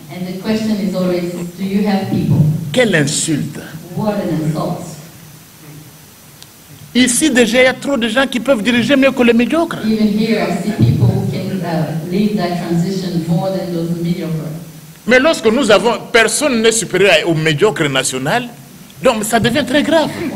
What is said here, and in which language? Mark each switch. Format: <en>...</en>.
<en>And the question is always, do you have people?</en> <fr>Quelle insulte!</fr> <en>What an insult.</en> <fr>Ici déjà, il y a trop de gens qui peuvent diriger mieux que les médiocres.</fr> <en>Even here, I see people who can lead that transition more than those mediocres.</en> <fr>Mais lorsque nous avons, personne n'est supérieur au médiocre national, donc ça devient très grave.</fr>